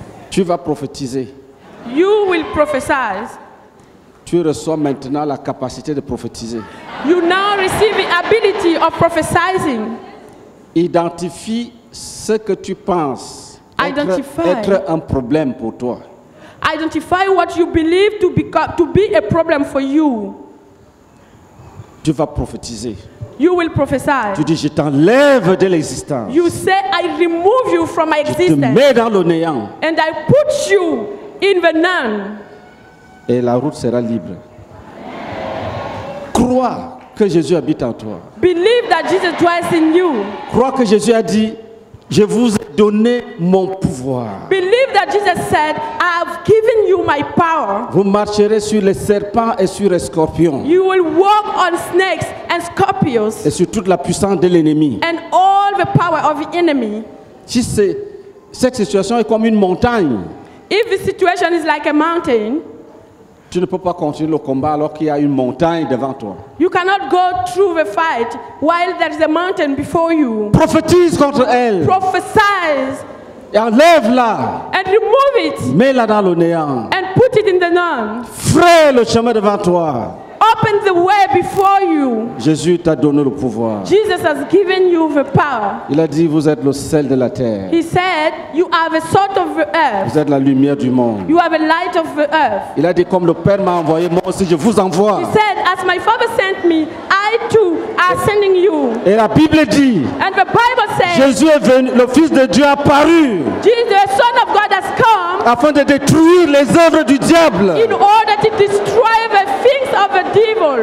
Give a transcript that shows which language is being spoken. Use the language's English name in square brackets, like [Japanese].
[French] Tu vas prophétiser. [English] You will prophesy. [French] Tu reçois maintenant la capacité de prophétiser. [English] You now receive the ability of prophesying. [French] Identifie ce que tu penses être un problème pour toi. [English] Identify what you believe to be a problem for you. [French] Tu vas prophétiser. [English] You will prophesy. [French] Tu dis, je t'enlève de l'existence. [English] You say, I remove you from my existence. [French] Je te mets dans le néant. [English] And I put you in the none. [French] Et la route sera libre. Crois que Jésus habite en toi. [English] Believe that Jesus dwells in you. [French] Crois que Jésus a dit, je vous ai donné mon pouvoir. [English] Believe that Jesus said, I have given you my power. [French] Vous marcherez sur les serpents et sur les scorpions. [English] You will walk on snakes and scorpions. [French] Et sur toute la puissance de l'ennemi. [English] And all the power of the enemy. [French] Si cette situation est comme une montagne. [English] If the situation is like a mountain. [French] Tu ne peux pas continuer le combat alors qu'il y a une montagne devant toi. [English] You cannot go through the fight while there is a mountain before you. [French] Prophétise contre elle. [English] Prophesize. [French] Et enlève-la. [English] And remove it. [French] Mets-la dans le néant. [English] And put it in the none. [French] Fraye le chemin devant toi. [English] Open the way before you. [French] Jésus t'a donné le pouvoir. [English] Jesus has given you the power. [French] Il a dit, vous êtes le sel de la terre. [English] He said, you are the salt of the earth. [French] Vous êtes la lumière du monde. [English] You are the light of the earth. [French] Il a dit, comme le Père m'a envoyé, moi aussi je vous envoie. [English] He said, as my Father sent me, I too are sending you. [French] Et la Bible dit. [English] And the Bible says, [French] Jésus est venu, le Fils de Dieu a paru. [English] Jesus, the Son of God has come. [French] Afin de détruire les œuvres du diable. [English] In order to destroy the things of the devil.